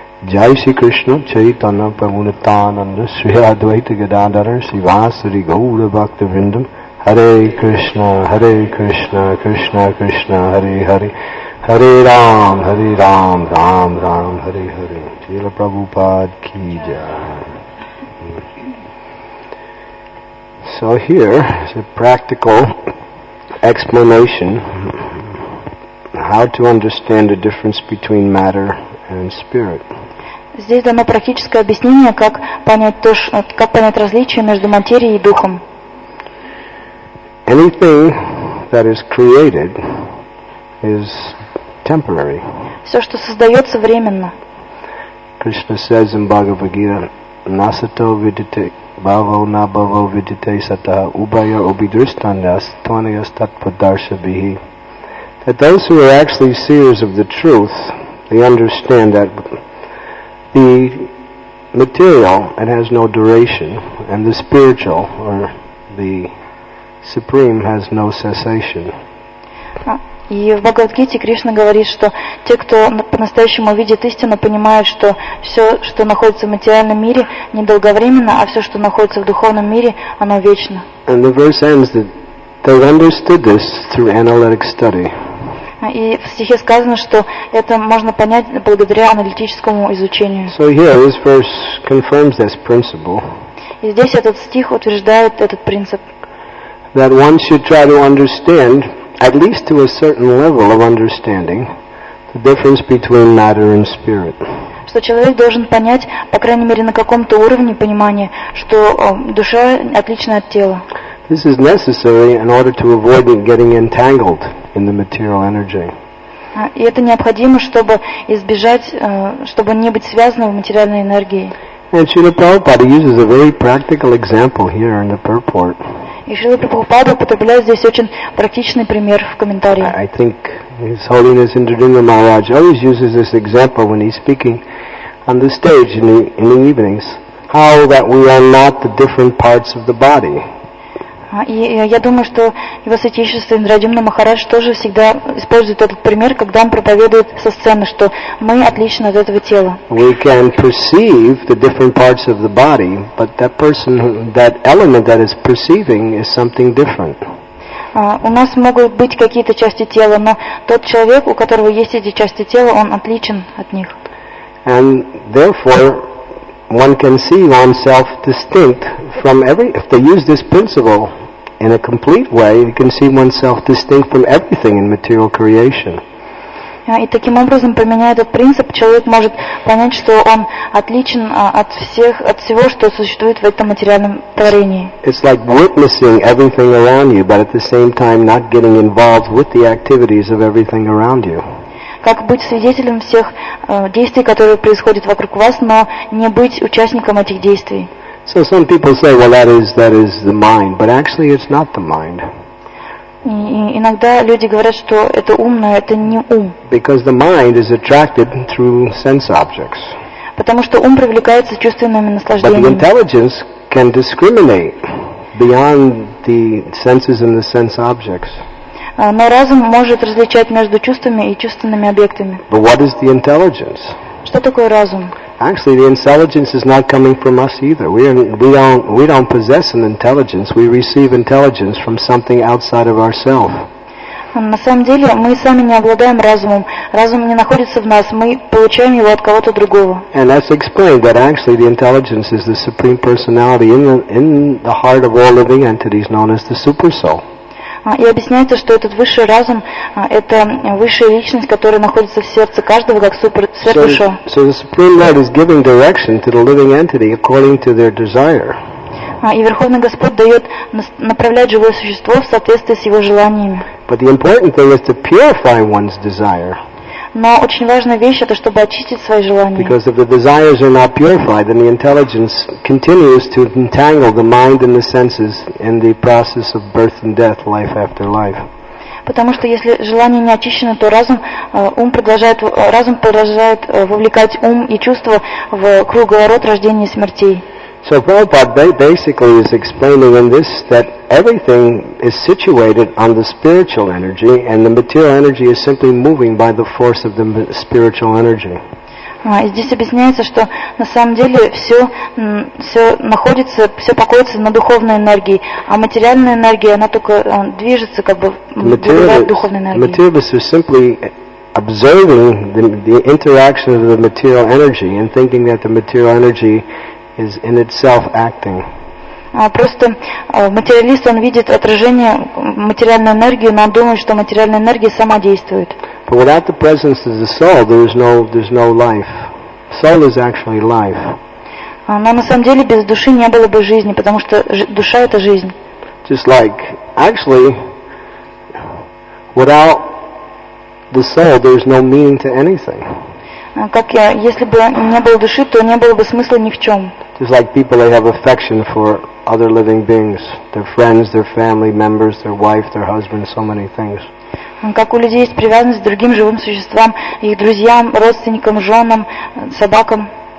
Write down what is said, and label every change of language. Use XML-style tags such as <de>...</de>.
<sa>Джай Ши Кришна Чайтанна Памунатананда Шри Адвайта Гададара Сивасари Гоуда Бхакта Вриндам Hare Krishna, Krishna Krishna, Hare Hare, Hare Ram, Ram Ram, Hare Hare, Srila Prabhupada Ki Jai.</sa> <en>So here is a practical explanation how to understand the difference between matter and spirit.</en> <ru>Здесь дано практическое объяснение, как понять различие между материей и духом.</ru> <en>Anything that is created is temporary.</en> <ru>Все, что создается, временно.</ru> <en>Krishna says in Bhagavad Gita,</en> <sa>Nasato vidite bhavo na bhavo vidite sataha ubaya ubidristandas tvanayas tatpadarsha bihi.</sa> <en>That those who are actually seers of the truth, they understand that the material, it has no duration, and the spiritual, or the Supreme has no cessation.</en> <ru>И в Бхагавад-гите Кришна говорит, что те, кто по-настоящему видит истину, понимают, что все, что находится в материальном мире, недолговременно, а все, что находится в духовном мире, оно вечно.</ru> <en>And the verse ends that they understood this through analytic study.</en> <ru>И в стихе сказано, что это можно понять благодаря аналитическому изучению.</ru> <en>So here this verse confirms this principle.</en> <ru>И здесь этот стих утверждает этот принцип.</ru> <en>That one should try to understand, at least to a certain level of understanding, the difference between matter and spirit.</en> <ru>Что человек должен понять, по крайней мере на каком-то уровне понимания, что душа отлична от тела.</ru> <en>This is necessary in order to avoid getting entangled in the material energy.</en> <ru>И это необходимо, чтобы избежать, чтобы не быть связанным в материальной энергии.</ru> <en>And Srila Prabhupada uses a very practical example here in the purport.</en> <ru>И Шрила Прабхупада употребляет здесь очень практичный пример в комментарии.</ru> <en>I think His Holiness Indradinda Maharaj always uses this example when he's speaking on the stage in the evenings, how that we are not the different parts of the body.</en> <ru>И я думаю, что Его Святейшество Индрадьюмна Махарадж тоже всегда использует этот пример, когда он проповедует со сцены, что мы отличны от этого тела.</ru> <en>We can perceive the different parts of the body, but that person, that element that is perceiving is something different.</en> <ru>У нас могут быть какие-то части тела, но тот человек, у которого есть эти части тела, он отличен от них.</ru> <en>And therefore, one can see oneself distinct from every. If they use this principle in a complete way, you can see oneself distinct from everything in material creation.</en> <ru>И таким образом, применяя этот принцип, человек может понять, что он отличен от всех, от всего, что существует в этом материальном творении.</ru> <en>It's like witnessing everything around you, but at the same time not getting involved with the activities of everything around you.</en> <ru>Как быть свидетелем всех действий, которые происходят вокруг вас, но не быть участником этих действий.</ru> <en>So some people say, well, that is the mind, but actually it's not the mind.</en> <ru>И иногда люди говорят, что это ум, но это не ум.</ru> <en>Because the mind is attracted through sense objects.</en> <ru>Потому что ум привлекается чувственными наслаждениями.</ru> <en>But the intelligence can discriminate beyond the senses and the sense objects.</en> <ru>Но разум может различать между чувствами и чувственными объектами.</ru> <en>But what is the intelligence?</en> <ru>Что такое разум?</ru> <en>Actually, the intelligence is not coming from us either. We don't possess an intelligence. We receive intelligence from something outside of ourselves.</en> <ru>На самом деле, мы сами не обладаем разумом. Разум не находится в нас. Мы получаем его от кого-то другого.</ru> <en>And that's explained that actually the intelligence is the supreme personality in the heart of all living entities, known as the super soul.</en> <ru>И объясняется, что этот высший разум это высшая личность, которая находится в сердце каждого как сверхдуша.</ru> <en>So the Supreme Lord is giving direction to the living entity according to their desire.</en> <ru>И Верховный Господь дает направлять живое существо в соответствии с его желаниями.</ru> <en>But the important thing is to purify one's desire.</en> <ru>Но очень важная вещь это чтобы очистить свои желания.</ru> <en>Because if the desires are not purified, then the intelligence continues to entangle the mind and the senses in the process of birth and death, life after life.</en> <ru>Потому что если желания не очищены, то разум продолжает вовлекать ум и чувства в круговорот рождения и смертей.</ru> <en>So Prabhupada basically is explaining in this that everything is situated on the spiritual energy and the material energy is simply moving by the force of the spiritual energy.</en> <ru>Здесь объясняется, что на самом деле все покоится на духовной энергии, а материальная энергия, она только движется как бы благодаря духовной энергии.</ru> <en>Materialists are simply observing the interaction of the material energy and thinking that the material energy is in itself acting.</en> <ru>Просто материалист он видит отражение материальной энергии, но он думает, что материальная энергия сама действует.</ru> <en>But without the presence of the soul, there's no life. Soul is actually life.</en> <ru>Но на самом деле без души не было бы жизни, потому что душа это жизнь.</ru> <en>Just like actually, without the soul, there's no meaning to anything.</en> <ru>Как я, если бы не было души, то не было бы смысла ни в чем.</ru> <en>Just like people, they have affection for other living beings, their friends, their family members, their wife, their husband, so many things.</en> <ru>Как у людей есть привязанность к другим живым существам, их друзьям, родственникам, женам, собакам.</ru>